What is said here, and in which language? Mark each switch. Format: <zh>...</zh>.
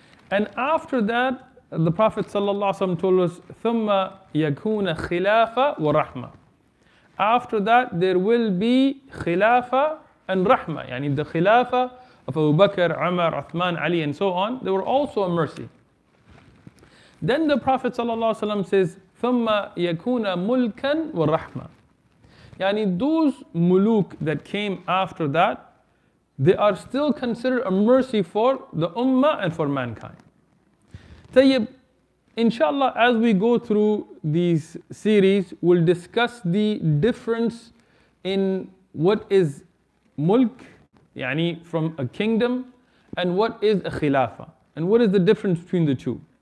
<en>And after that, the Prophet sallallahu alayhi wa sallam told us,</en> <ar>thumma yakuna khilafa wa rahma.</ar> <en>After that, there will be khilafa and rahma. Yani the khilafa of Abu Bakr, Umar, Uthman, Ali, and so on, they were also a mercy.</en> <ar>Then the Prophet ﷺ says, ثُمَّ يَكُونَ مُلْكًا وَرَحْمًا.</ar> <en>Yani those muluk that came after that, they are still considered a mercy for the ummah and for mankind. Tayyib, inshallah, as we go through these series, we'll discuss the difference in what is mulk, يعني from a kingdom, and what is a khilafah, and what is the difference between the two.</en>